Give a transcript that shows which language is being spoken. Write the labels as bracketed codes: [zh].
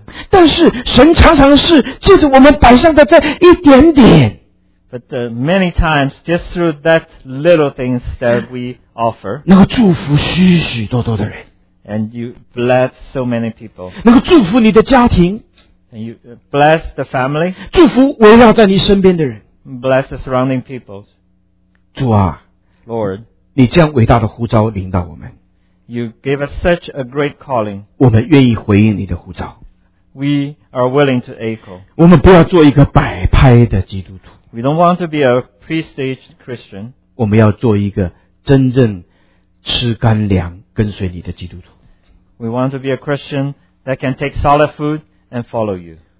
[zh] 但是神常常是借着我们摆上的这一点点。 [en] But many times, just through that little things that we offer, [zh] 能够祝福许许多多的人。 [en] And you bless so many people. [zh] 能够祝福你的家庭。 [en] And you bless the family. [zh] 祝福围绕在你身边的人。 [en] Bless the surrounding peoples. [zh] 主啊 [en] ,Lord, [zh] 你这样伟大的呼召领导我们。 [en] You gave us such a great calling. [zh] 我们愿意回应你的呼召。 [en] We are willing to echo. [zh] 我们不要做一个摆拍的基督徒。 [en] We don't want to be a pre-staged Christian. [zh] 我们要做一个真正吃干粮跟随你的基督徒。 [en] We want to be a Christian that can take solid food and follow you.